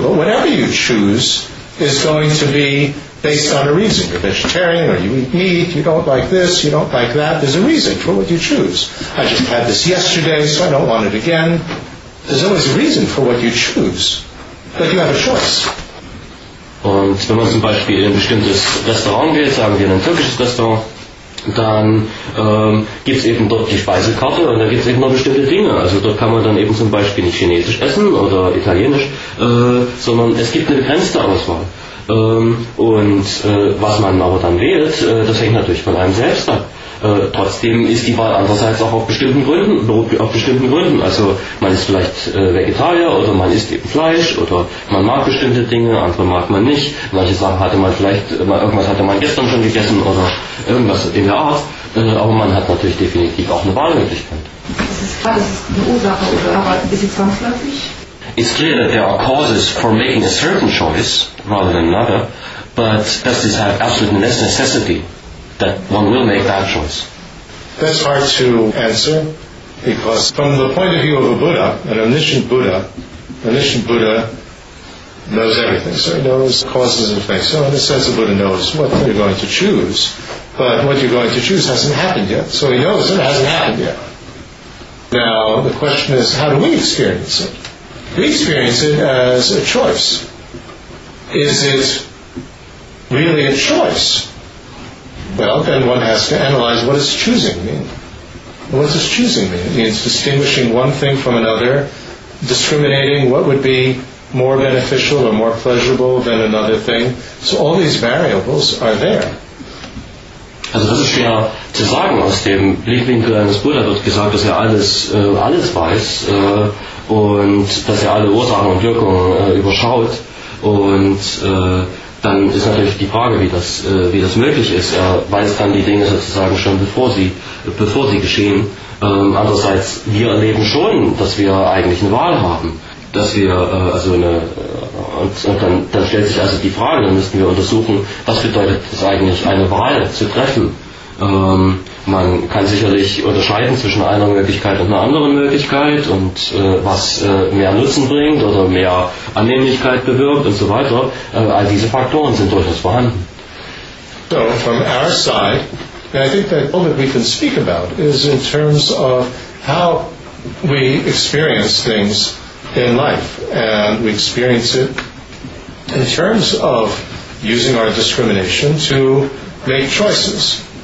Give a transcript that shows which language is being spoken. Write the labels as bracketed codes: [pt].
[en] But whatever you choose is going to be based on a reason. You're vegetarian, or you eat meat, you don't like this, you don't like that. There's a reason for what you choose. I just had this yesterday, so I don't want it again. There's always a reason for what you choose, but you have a choice. [de] Und wenn man zum Beispiel in ein bestimmtes Restaurant geht, sagen wir in ein türkisches Restaurant, dann gibt es eben dort die Speisekarte und da gibt es eben noch bestimmte Dinge. Also dort kann man dann eben zum Beispiel nicht chinesisch essen oder italienisch, sondern es gibt eine begrenzte Auswahl. Und was man aber dann wählt, das hängt natürlich von einem selbst ab. Trotzdem ist die Wahl andererseits auch beruht auf bestimmten Gründen. Also man ist vielleicht Vegetarier oder man isst eben Fleisch oder man mag bestimmte Dinge, andere mag man nicht. Manche Sachen hatte man vielleicht, irgendwas hatte man gestern schon gegessen oder irgendwas in der Art. Aber man hat natürlich definitiv auch eine Wahlmöglichkeit. Das ist klar, das ist eine Ursache, oder? Aber ist sie zwangsläufig? [en] It's clear that there are causes for making a certain choice rather than another, but does this have absolute necessity that one will make that choice? That's hard to answer, because from the point of view of a Buddha, an omniscient Buddha knows everything. So he knows causes and effects. So in a sense, the Buddha knows what you're going to choose. But what you're going to choose hasn't happened yet. So he knows it hasn't happened yet. Now, the question is, how do we experience it? We experience it as a choice. Is it really a choice? Well, then one has to analyze, what does choosing mean? What does choosing mean? It means distinguishing one thing from another, discriminating what would be more beneficial or more pleasurable than another thing. So all these variables are there. [de] Also das ist schwer zu sagen aus dem Blickwinkel eines Buddha. Wird gesagt, dass er alles weiß und dass er alle Ursachen und Wirkungen überschaut. Und dann ist natürlich die Frage, wie das möglich ist. Er weiß dann die Dinge sozusagen schon, bevor sie geschehen. Andererseits, wir erleben schon, dass wir eigentlich eine Wahl haben. Dass wir und dann stellt sich also die Frage, dann müssten wir untersuchen, was bedeutet es eigentlich, eine Wahl zu treffen. Man kann sicherlich unterscheiden zwischen einer Möglichkeit und einer anderen Möglichkeit und was mehr Nutzen bringt oder mehr Annehmlichkeit bewirkt und so weiter. All diese Faktoren sind durchaus vorhanden. [en] So, from our side, I think that all that we can speak about is in terms of how we experience things in life, and we experience it in terms of using our discrimination to make choices.